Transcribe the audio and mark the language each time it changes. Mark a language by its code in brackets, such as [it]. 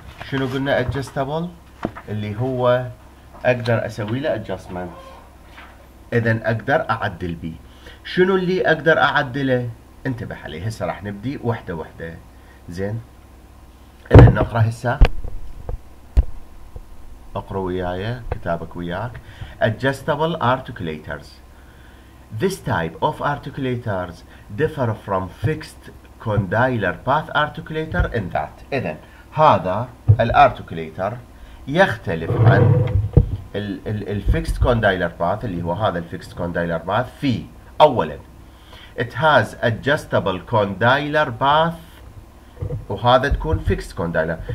[ar] شنو قلنا ادجستبل؟ اللي هو اقدر اسوي له ادجستمنت، اذا اقدر اعدل بيه. شنو اللي اقدر اعدله؟ انتبه عليه، هسه راح نبدي وحده وحده. زين، اذا نقرا هسه، اقرا وياي كتابك وياك. ادجستبل ارتكليترز. [en] This type of articulators differ from fixed condyler path articulator in that. [ar] إذن هذا الارتكليتر يختلف عن ال fixed condyler path، اللي هو هذا ال fixed condyler path، في أولا [en] it has adjustable condyler path، [ar] وهذا تكون fixed condyler.